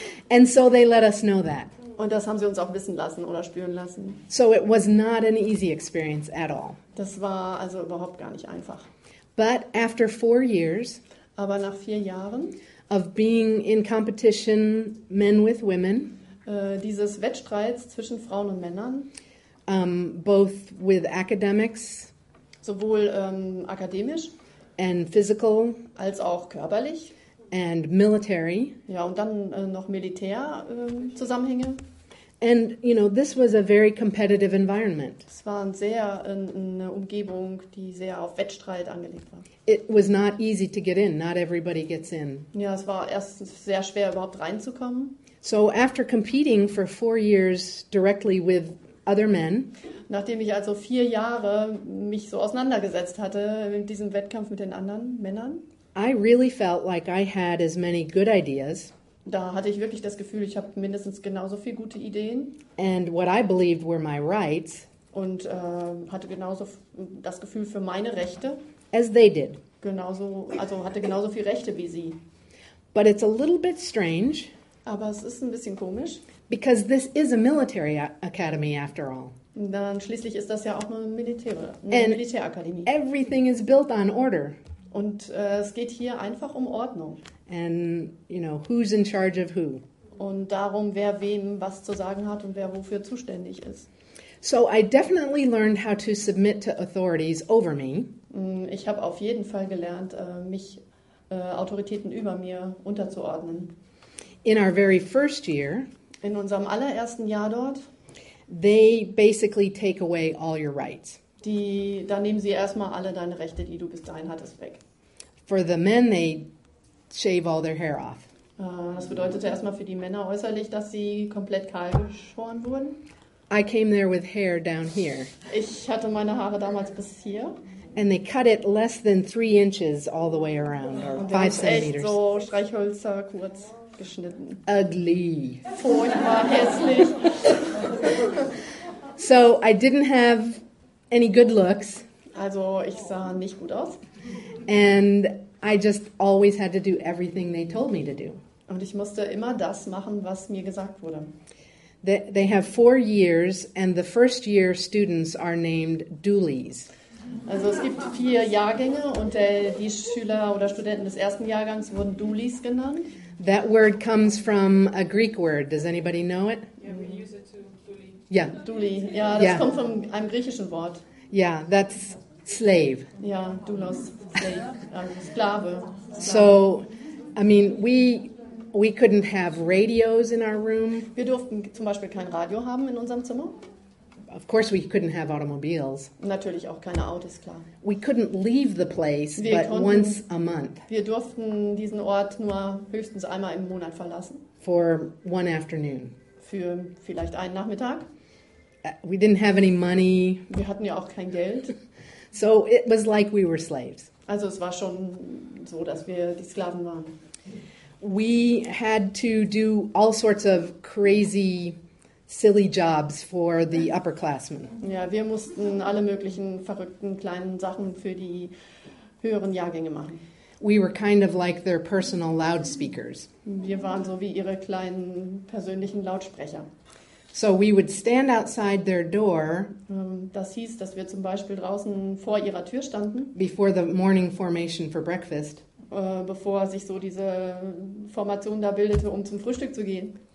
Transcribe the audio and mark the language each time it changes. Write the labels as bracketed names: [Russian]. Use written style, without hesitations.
[English] And so they let us know that. [German] Und das haben sie uns auch wissen lassen oder spüren lassen. [English] So it was not an easy experience at all. [German] Das war also überhaupt gar nicht einfach. [English] But after 4 years, [German] aber nach 4 Jahren [English] of being in competition, men with women, [German] dieses Wettstreits zwischen Frauen und Männern, [English] both with academics, [German] sowohl akademisch [English] and physical, [German] als auch körperlich [English] and military, [German] ja, und dann noch Militär Zusammenhänge. [English] And you know, this was a very competitive environment. [German] Es war eine Umgebung, die sehr auf Wettstreit angelegt war. [English] It was not easy to get in. Not everybody gets in. [German] Ja, es war erstens sehr schwer, überhaupt reinzukommen. [English] So after competing for 4 years directly with other men, [German] nachdem ich also 4 Jahre mich so auseinandergesetzt hatte in diesem Wettkampf mit den anderen Männern, [English] I really felt like I had as many good ideas. [German] Da hatte ich wirklich das Gefühl, ich habe mindestens genauso viele gute Ideen. [English] And what I believed were my rights. [German] Und hatte genauso das Gefühl für meine Rechte. [English] As they did. [German] Genauso, also hatte genauso viele Rechte wie sie. [English] But it's a little bit strange. [German] Aber es ist ein bisschen komisch. [English] Because this is a military academy after all. [German] Dann schließlich ist das ja auch eine Militärakademie. [English] Everything is built on order. [German] Und es geht hier einfach um Ordnung. [English] And you know who's in charge of who. [German] Und darum, wer wem was zu sagen hat und wer wofür zuständig ist. [English] So I definitely learned how to submit to authorities over me. [German] Ich habe auf jeden Fall gelernt, mich Autoritäten über mir unterzuordnen. [English] In our very first year, [German] in unserem allerersten Jahr dort, [English] they basically take away all your rights. [German] Da nehmen sie erstmal alle deine Rechte, die du bis dahin hattest, weg. [English] For the men, they shave all their hair off. [German] Das bedeutete erstmal für die Männer äußerlich, dass sie komplett kahl geschoren wurden. [English] I came there with hair down here. [German] Ich hatte meine Haare damals bis hier. [English] And they cut it less than 3 inches all the way around, or 5 centimeters. [German] Und echt so Streichhölzer kurz geschnitten. [English] Ugly. [German] Furchtbar hässlich. [English] So I didn't have any good looks. [German] Also ich sah nicht gut aus. [English] And I just always had to do everything they told me to do. [German] Und ich musste immer das machen, was mir gesagt wurde. [English] They have 4 years, and the first year students are named dualies. [German] Also es gibt 4 Jahrgänge, und die Schüler oder Studenten des ersten Jahrgangs wurden dualies genannt. [English] That word comes from a Greek word. Does anybody know it? Yeah, we use it to dually. Yeah. [German] Dually. Ja, das yeah. kommt von einem griechischen Wort. [English] Yeah, that's slave. [German] Ja, doulos, slave, Sklave. [English] So, I mean, we couldn't have radios in our room. [German] Wir durften zum Beispiel kein Radio haben in unserem Zimmer. [English] Of course we couldn't have automobiles. [German] Natürlich auch keine Autos, klar. [English] We couldn't leave the place once a month. [German] Wir durften diesen Ort nur höchstens einmal im Monat verlassen. [English] For one afternoon. [German] Für vielleicht einen Nachmittag. [English] We didn't have any money. [German] Wir hatten ja auch kein Geld. [English] So it was like we were slaves. [German] Also es war schon so, dass wir die Sklaven waren. [English] We had to do all sorts of crazy silly jobs for the upperclassmen. [German] Ja, wir mussten alle möglichen verrückten kleinen Sachen für die höheren Jahrgänge machen. [English] We were kind of like their personal loudspeakers. [German] Wir waren so wie ihre kleinen persönlichen Lautsprecher. [English] So we would stand outside their door. [German] Das hieß, dass wir zum Beispiel draußen vor ihrer Tür standen. [English] Before the morning formation for breakfast. [German] Bevor sich so diese Formation da bildete, um zum Frühstück zu gehen.